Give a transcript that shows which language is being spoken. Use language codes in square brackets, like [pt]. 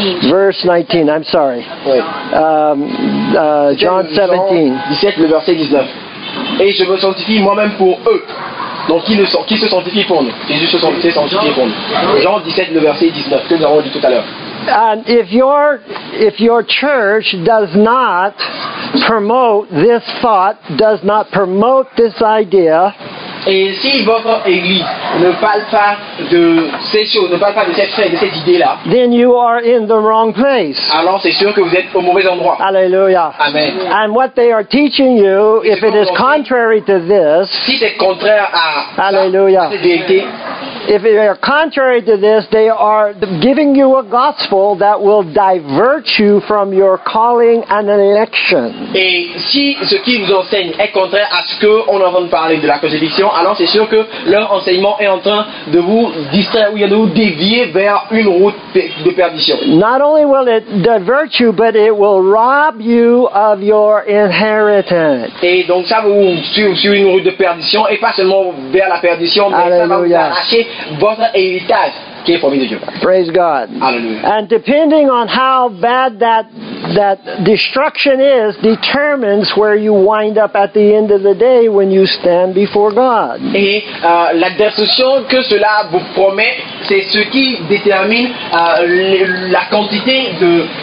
[en] Verse 19. I'm sorry. John 17. [fr] 17, verset 19. Et je me sanctifie moi-même pour eux. Donc qui se sanctifie pour nous? Jésus se sanctifie pour nous. Jean 17, le verset 19, que nous avons dit tout à l'heure. [en] And if your church does not promote this thought, does not promote this idea. [fr] Et si votre église ne parle pas de ces choses, ne parle pas de cette idée-là, [en] then you are in the wrong place. [fr] Alors c'est sûr que vous êtes au mauvais endroit. Alléluia. Amen. [en] And what they are teaching you, if it is contrary to this, [fr] si c'est contraire à Alléluia. Cette vérité. [en] If they are contrary to this, they are giving you a gospel that will divert you from your calling and election. [fr] Et si ce qu'ils vous enseignent est contraire à ce qu'on a entendu parler de la crucifixion, alors c'est sûr que leur enseignement est en train de vous distraire ou de vous dévier vers une route de perdition. [en] Not only will it divert you, but it will rob you of your inheritance. [fr] Et donc ça va vous suivre sur une route de perdition et pas seulement vers la perdition, mais Alléluia. Ça va vous arracher votre héritage. [en] Praise God. Hallelujah. And depending on how bad that destruction is, determines where you wind up at the end of the day when you stand before God. [fr] Et la destruction que cela vous promet, c'est ce qui détermine la quantité de